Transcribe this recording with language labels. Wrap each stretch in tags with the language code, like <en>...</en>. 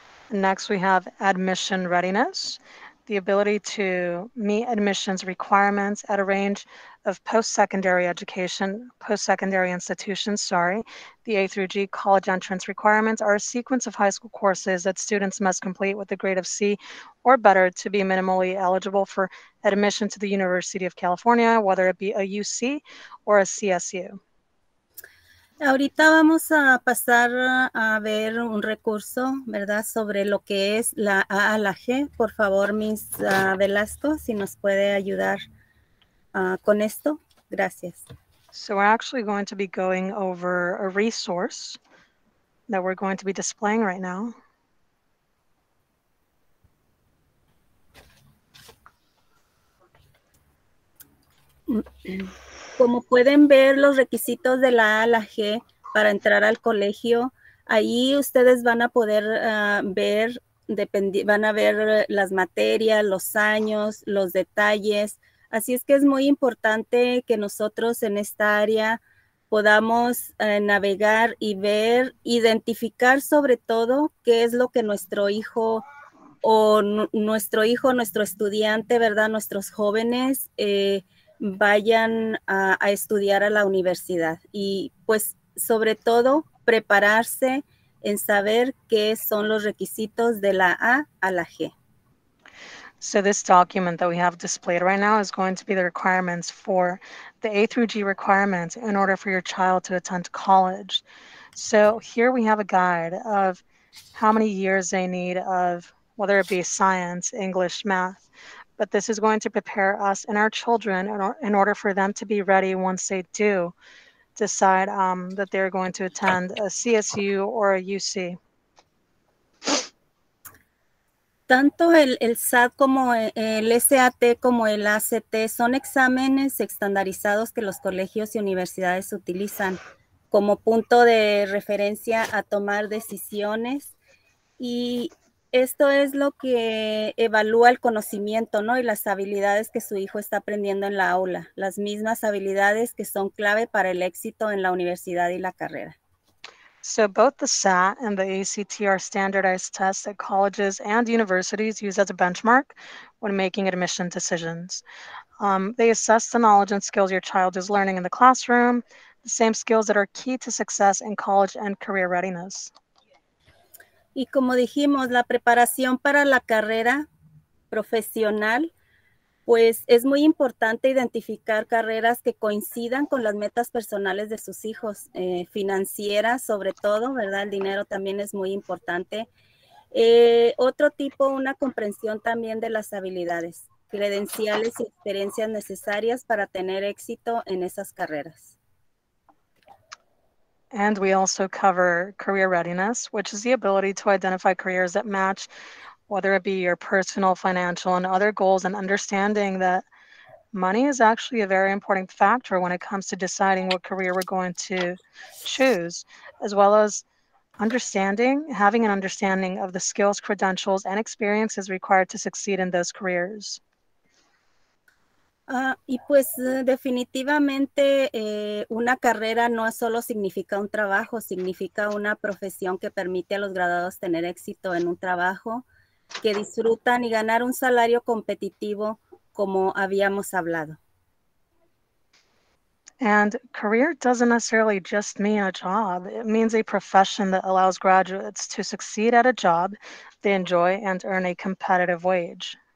<en>Next, we have admission readiness, the ability to meet admissions requirements at a range of post-secondary institutions, the A through G college entrance requirements are a sequence of high school courses that students must complete with a grade of C or better to be minimally eligible for admission to the University of California, whether it be a UC or a CSU.</en> <es>Ahorita vamos a pasar a ver un recurso, ¿verdad?, sobre lo que es la A a la G. Por favor, Miss Velasco, si nos puede ayudar con esto. Gracias.</es> <en>So we're actually going to be going over a resource that we're going to be displaying right now.</en> <es>Como pueden ver, los requisitos de la A a la G para entrar al colegio Ahí ustedes van a poder ver, van a ver las materias, los años, los detalles. Así es que es muy importante que nosotros en esta área podamos navegar y ver, identificar sobre todo qué es lo que nuestro hijo o nuestro hijo, nuestro estudiante, ¿verdad? Nuestros jóvenes vayan a estudiar a la universidad. Y pues sobre todo prepararse en saber qué son los requisitos de la A a la G.</es> <en>So this document that we have displayed right now is going to be the requirements for the A through G requirements in order for your child to attend college. So here we have a guide of how many years they need of whether it be science, English, math, but this is going to prepare us and our children in order for them to be ready once they do decide that they're going to attend a CSU or a UC.</en> <es>Tanto el SAT como el SAT como el ACT son exámenes estandarizados que los colegios y universidades utilizan como punto de referencia a tomar decisiones. Y esto es lo que evalúa el conocimiento, ¿no? Y las habilidades que su hijo está aprendiendo en la aula. Las mismas habilidades que son clave para el éxito en la universidad y la carrera.</es> <en>So both the SAT and the ACT are standardized tests that colleges and universities use as a benchmark when making admission decisions. They assess the knowledge and skills your child is learning in the classroom, the same skills that are key to success in college and career readiness.</en> <es>Y como dijimos, la preparación para la carrera profesional, pues es muy importante identificar carreras que coincidan con las metas personales de sus hijos, financieras sobre todo, ¿verdad? El dinero también es muy importante. Otro tipo, una comprensión también de las habilidades, credenciales y experiencias necesarias para tener éxito en esas carreras.</es> <en>And we also cover career readiness, which is the ability to identify careers that match whether it be your personal, financial, and other goals, and understanding that money is actually a very important factor when it comes to deciding what career we're going to choose, as well as understanding, having an understanding of the skills, credentials, and experiences required to succeed in those careers.</en> <es>Y pues definitivamente una carrera no solo significa un trabajo, significa una profesión que permite a los graduados tener éxito en un trabajo que disfrutan y ganar un salario competitivo, como habíamos hablado.</es> <en>And career doesn't necessarily just mean a job. It means a profession that allows graduates to succeed at a job they enjoy and earn a competitive wage.</en>